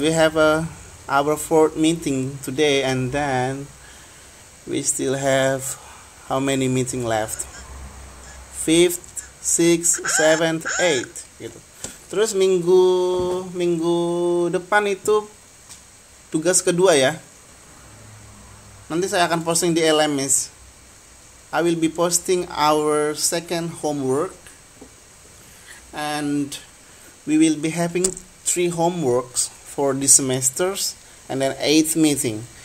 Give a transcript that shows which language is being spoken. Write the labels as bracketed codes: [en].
[en] We have our fourth meeting today and then we still have how many meeting left? Fifth, sixth, seventh, eighth. Gitu. [id] Terus minggu depan itu tugas kedua ya. Nanti saya akan posting di LMS. [en] I will be posting our second homework and we will be having 3 homeworks for this semesters and then 8th meeting.